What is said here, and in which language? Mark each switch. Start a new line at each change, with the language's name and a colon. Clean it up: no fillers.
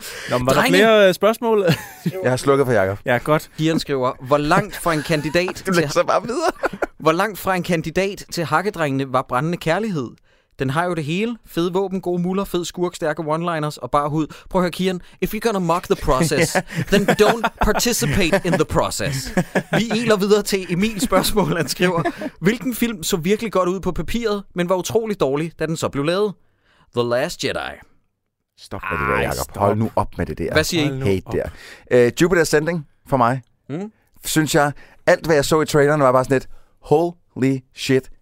Danish: Nå, var drenge, der flere spørgsmål? Jeg har slukket for Jacob. Ja, godt. Gieren skriver, hvor langt fra en kandidat du lægger sig bare videre. Hvor langt fra en kandidat til hakkedrengene var brændende kærlighed? Den har jo det hele. Fede våben, gode muller, fed skurk, stærke one-liners og bare hud. Prøv at høre, Kieran.
English: If you're gonna mock the process, then don't participate in the process.
Danish: Vi iler videre til Emils spørgsmål, han skriver. Hvilken film så virkelig godt ud på papiret, men var utrolig dårlig, da den så blev lavet?
English: The Last Jedi.
Danish: Stop med det der, Jacob. Hold nu op med det der. Hvad siger I? Hate der. Jupiter Ascending for mig. Synes jeg, alt hvad jeg så i traileren var bare sådan et
English: holy shit.